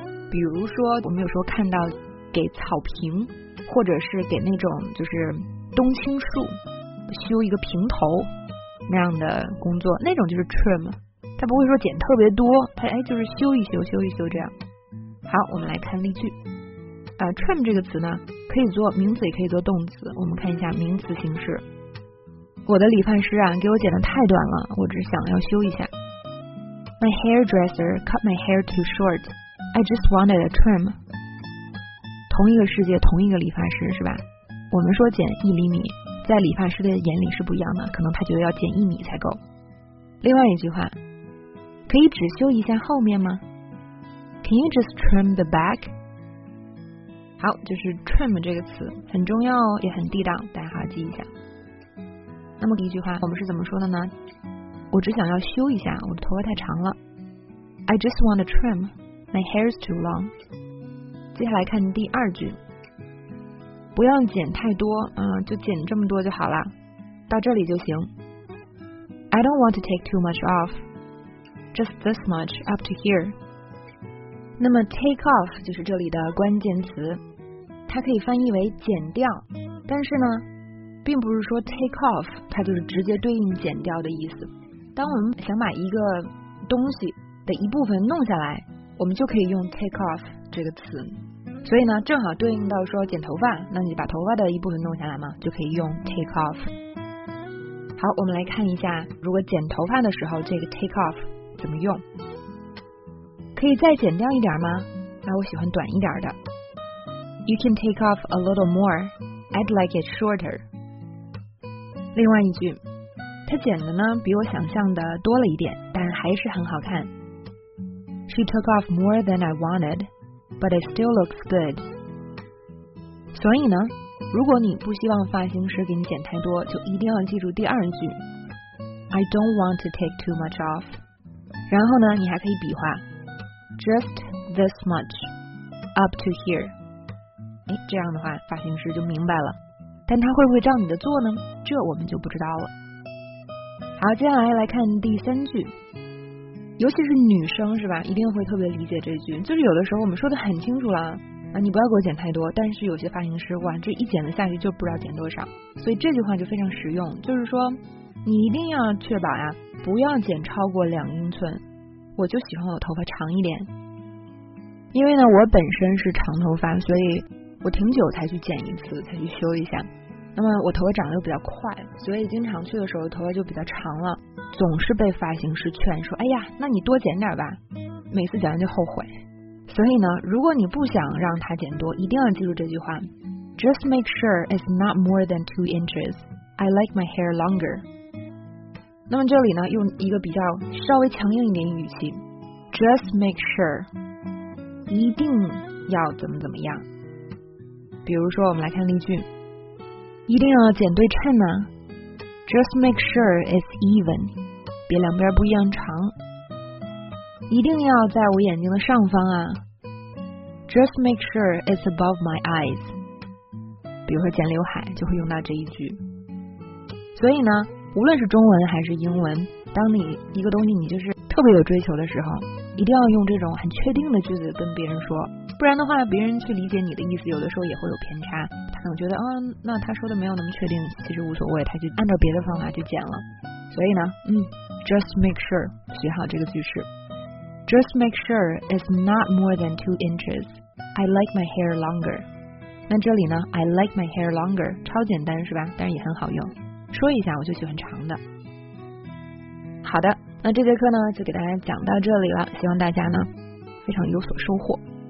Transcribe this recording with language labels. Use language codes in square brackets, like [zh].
[zh] 比如说我们有时候看到给草坪或者是给那种就是冬青树修一个平头那样的工作，那种就是 trim， 他不会说剪特别多，他就是修一修修一修这样。好，我们来看例句。trim 这个词呢可以做名词也可以做动词，我们看一下名词形式。我的理发师啊给我剪得太短了，我只想要修一下。 [en] My hairdresser cut my hair too short, I just wanted a trim。 [zh] 同一个世界同一个理发师是吧，我们说剪一厘米，在理发师的眼里是不一样的，可能他觉得要剪一米才够。另外一句话，可以只修一下后面吗？ [en] Can you just trim the back? [zh] 好，就是 trim 这个词很重要也很地道，大家好记一下。那么第一句话我们是怎么说的呢？我只想要修一下，我的头发太长了。 [en] I just want to trim, my hair is too long。 [zh] 接下来看第二句，不要剪太多，就剪这么多就好了，到这里就行。 [en] I don't want to take too much off, just this much up to here。 [zh] 那么 take off 就是这里的关键词，它可以翻译为剪掉，但是呢并不是说 take off 它就是直接对应剪掉的意思。当我们想把一个东西的一部分弄下来，我们就可以用 take off 这个词，所以呢正好对应到说剪头发，那你把头发的一部分弄下来嘛，就可以用 take off。好，我们来看一下如果剪头发的时候这个 take off 怎么用。可以再剪掉一点吗？那我喜欢短一点的。 [en] You can take off a little more, I'd like it shorter。 [zh] 另外一句，他剪的呢比我想象的多了一点，但还是很好看。 [en] She took off more than I wantedBut it still looks good。 [zh] 所以呢如果你不希望发型师给你剪太多，就一定要记住第二句 [en] I don't want to take too much off。 [zh] 然后呢你还可以比划 [en] Just this much up to here。 [zh] 哎，这样的话发型师就明白了，但他会不会照你的做呢，这我们就不知道了。好，接下来来看第三句，尤其是女生是吧，一定会特别理解这句，就是有的时候我们说的很清楚了啊，你不要给我剪太多，但是有些发型师哇这一剪了下去就不知道剪多少，所以这句话就非常实用，就是说你一定要确保呀，不要剪超过两英寸，我就喜欢我头发长一点。因为呢我本身是长头发，所以我挺久才去剪一次才去修一下，那么我头发长得又比较快，所以经常去的时候头发就比较长了，总是被发型师劝说哎呀那你多剪点吧，每次剪完就后悔。所以呢如果你不想让它剪多，一定要记住这句话， [en] Just make sure it's not more than 2 inches, I like my hair longer。 [zh] 那么这里呢用一个比较稍微强硬一点语气， [en] Just make sure, [zh] 一定要怎么怎么样。比如说我们来看例句，一定要剪对称呢， [en] Just make sure it's even, [zh] 别两边不一样长。一定要在我眼睛的上方啊， [en] Just make sure it's above my eyes。 [zh] 比如说剪刘海就会用到这一句。所以呢无论是中文还是英文，当你一个东西你就是特别有追求的时候，一定要用这种很确定的句子跟别人说，不然的话别人去理解你的意思有的时候也会有偏差，他可能觉得哦，那他说的没有那么确定，其实无所谓，他就按照别的方法去剪了。所以呢 [en] just make sure [zh] 学好这个句式。 [en] Just make sure it's not more than 2 inches. I like my hair longer. [zh] 那这里呢 [en] I like my hair longer [zh] 超简单是吧，但是也很好用，说一下我就喜欢长的。好的，那这节课呢就给大家讲到这里了，希望大家呢非常有所收获。